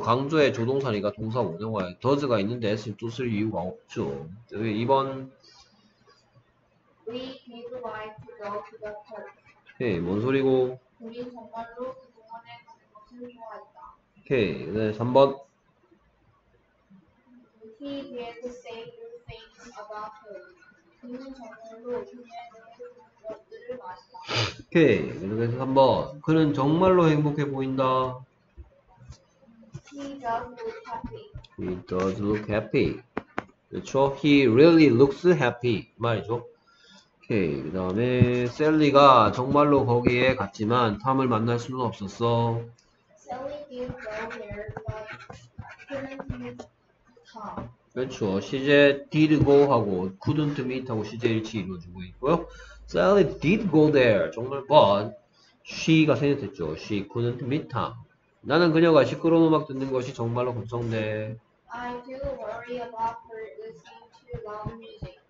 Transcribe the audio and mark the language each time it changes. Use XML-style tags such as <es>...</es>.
<ko>강조의 조동사니까 동사 원형화에 does가 있는데 s를 또 쓸 이유가 없죠. 2번.</ko> <en>We did like to go to the park.</en> <ko>네, 뭔 소리고? 우리 정말로 그 공원에 가는 것을 좋아했다. 오케이. 네, 3번.</ko> <en>He did say good things about her.</en> <ko>그는 정말로 그녀의 것을 좋아했다. 오케이. 그래서 3번. 그는 정말로 행복해 보인다.</ko> <en>He does look happy. He does look happy.</en> <ko>그렇죠?</ko> <en>He really looks happy.</en> <ko>말이죠.</ko> <en>오케이.</en> <ko>그 다음에 셀리가 정말로 거기에 갔지만 탐을 만날 수는 없었어.</ko> <en>Sally did go there, but couldn't meet Tom.</en> <ko>그렇죠. 시제</ko> <en>did go</en> <ko>하고</ko> <en>couldn't meet</en> <ko>하고 시제 일치 이루어지고 있고요.</ko> <en>Sally did go there. 정말, but she가</en> <ko>생략됐죠.</ko> <en>She couldn't meet him.</en> <ko>나는 그녀가 시끄러운 음악 듣는 것이 정말로 걱정돼.</ko> <en>I do worry about her listening to loud music.</en>